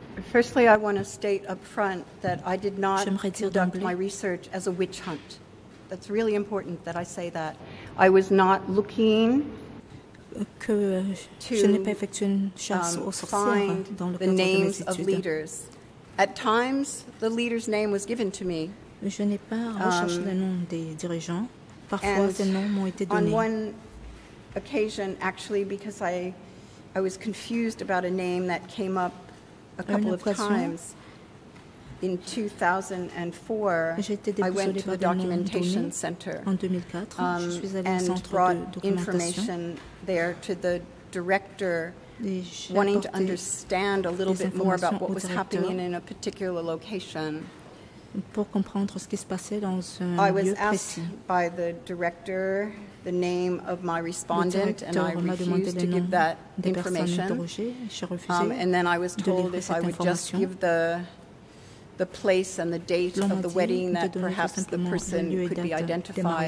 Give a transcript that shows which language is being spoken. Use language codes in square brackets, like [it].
[en] Firstly, I want to state up front that I did not conduct my research as a witch hunt. That's really important that I say that. I was not looking to find the names of leaders. At times, the leader's name was given to me. [fr] Je n'ai pas recherché le nom des dirigeants. Parfois, des noms m'ont été donnés. [en] On one occasion, actually, because I was confused about a name that came up a couple of times in 2004, I went to the documentation center and brought information there to the director, wanting to understand a little bit more about what was happening in a particular location. [fr] Pour comprendre ce qui se passait dans un [en] I was [fr] lieu [en] asked [fr] précis. [en] By the director the name of my respondent, and I refused to give that information. And then I was told if I would just give the place and the date [fr] l'on [en] of the wedding, that perhaps the person could be identified,